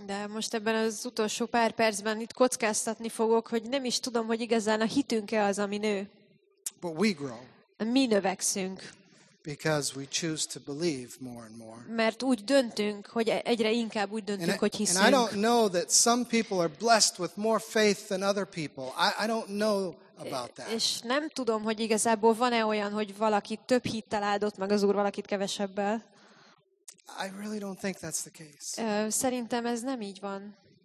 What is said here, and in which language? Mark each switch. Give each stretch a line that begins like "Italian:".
Hungarian: De most ebben az utolsó pár percben itt kockáztatni fogok, hogy nem is tudom, hogy igazán a hitünk-e az, ami nő.
English: But we grow.
Hungarian: Mi növekszünk.
English: Because we choose to believe more and more.
Hungarian: Mert úgy döntünk, hogy egyre inkább úgy döntünk, hogy hiszünk.
English: And I don't know that some people are blessed with more faith than other people. I don't know about that.
Hungarian: És nem tudom, hogy igazából van-e olyan, hogy valaki több hittel áldott meg az Úr valakit kevesebbel.
English: I really don't think that's the case.
Hungarian: Szerintem ez nem így van.